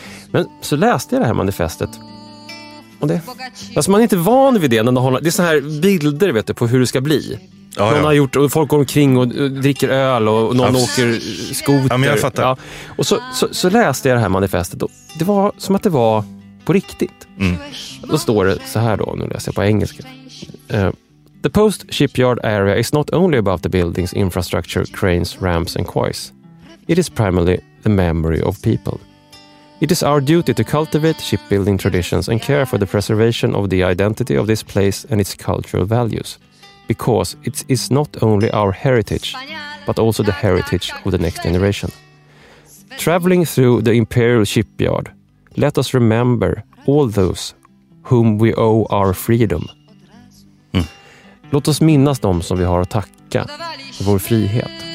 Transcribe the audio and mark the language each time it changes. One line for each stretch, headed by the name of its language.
Swedish: Men så läste jag det här manifestet. Och det, alltså man är inte van vid det. När de håller, det är så här bilder, vet du, på hur det ska bli. Någon har gjort, och folk går omkring och dricker öl, och någon åker skoter. Ja, men jag fattar. Ja. Och så läste jag det här manifestet, och det var som att det var på riktigt. Mm. Då står det så här då, nu läser jag på engelska.
English: The post shipyard area is not only about the buildings, infrastructure, cranes, ramps and quays. It is primarily the memory of people. It is our duty to cultivate shipbuilding traditions and care for the preservation of the identity of this place and its cultural values. Because it is not only our heritage, but also the heritage of the next generation. Traveling through the Imperial Shipyard, let us remember all those whom we owe our freedom. Mm.
Swedish: Låt oss minnas dem som vi har att tacka för vår frihet.